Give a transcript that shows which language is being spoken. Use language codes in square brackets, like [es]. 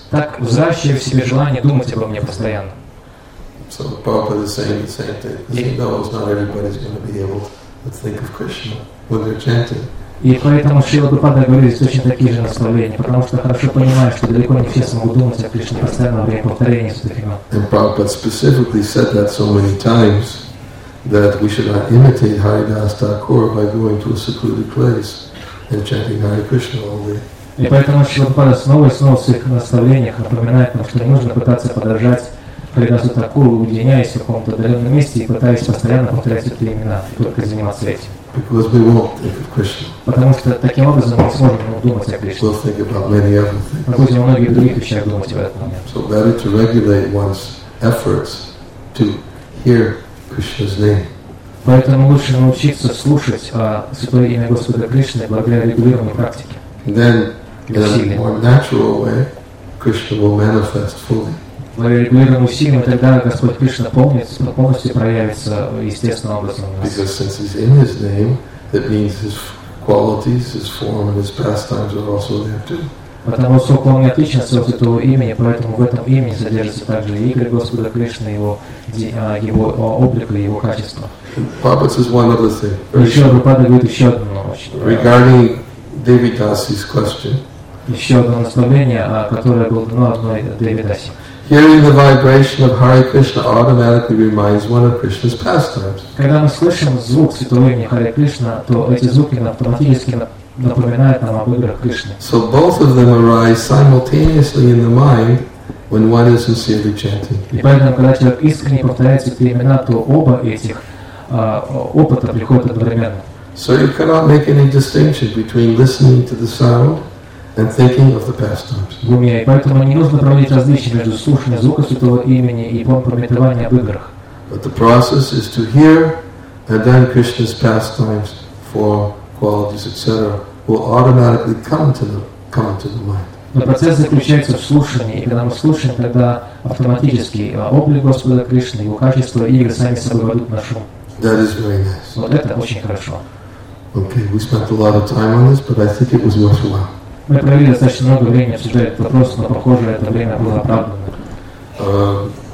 [ru] Так взращивай в себе желание думать обо мне постоянно. [en] So Prabhupada is saying the same thing. He knows not everybody's going to be able to think of Krishna when they're chanting. [ru] И поэтому Шрила Прабхупада говорит точно такие же наставления, потому что хорошо понимает, что далеко не все смогут думать о Кришне постоянно во время повторения сутхима. [en] Прабхупада specifically said that so many times that we should not imitate Haridas Thakur by going to a secluded place and chanting Hare Krishna all day. [ru] И поэтому Шрила Прабхупада снова и снова в своих наставлениях напоминает нам, что не нужно пытаться подражать Харидасу Такуру, уединяясь в каком-то отдаленном месте и пытаясь постоянно повторять эти имена, и только заниматься этим. [en] Because we won't think of Krishna. [ru] Потому что таким образом мы сможем думать о Кришне. [en] We'll think about many other things. [ru] Мы будем о многих других вещах думать в этот момент. [en] So better to regulate one's efforts to hear Krishna's name. [ru] Поэтому лучше научиться слушать Святое имя Господа Кришны благодаря регулированной практике. [en] Then, in a more natural way, Krishna will manifest fully. [ru] Благодаря регулированным усилиям, тогда Господь Кришна полностью проявится естественным образом в нас. [en] Because since he's in his name, that means his qualities, his form, and his pastimes are also there too. [ru] Потому что он отличен от этого имени, поэтому в этом имени содержится также игры Господа Кришны, его облик и его качества. [en] Prabhupada says one other thing. [ru] Еще Прабхупада говорит еще одну ночь. [en] Regarding Devadasi's question. [ru] Еще одно наставление, которое было дано одной Девидасе. [en] Hearing the vibration of Hare Krishna automatically reminds one of Krishna's pastimes. [ru] Когда мы слышим звук святого имени Харе Кришна, то эти звуки автоматически напоминают нам об играх Кришны. [en] So both of them arise simultaneously in the mind when one is sincerely chanting. [ru] И поэтому, когда человек искренне повторяет эти имена, то оба этих опыта приходят одновременно. [en] So you cannot make any distinction between listening to the sound and thinking of the pastimes. [ru] И поэтому не нужно проводить различия между слушанием звука святого имени и помпометованием об играх. [en] But the process is to hear, and then Krishna's pastimes, form, qualities, etc., will automatically come into the mind. [ru] Но процесс заключается в слушании, и когда мы слушаем, тогда автоматически облик Господа Кришны, его качество и игры сами собой войдут в наш ум. [en] That is very nice. [ru] Вот это очень хорошо. [en] Okay, we spent a lot of time on this, but I think it was worthwhile. [ru] Мы провели достаточно много времени, обсуждая этот вопрос, но, похоже, это время было оправдано.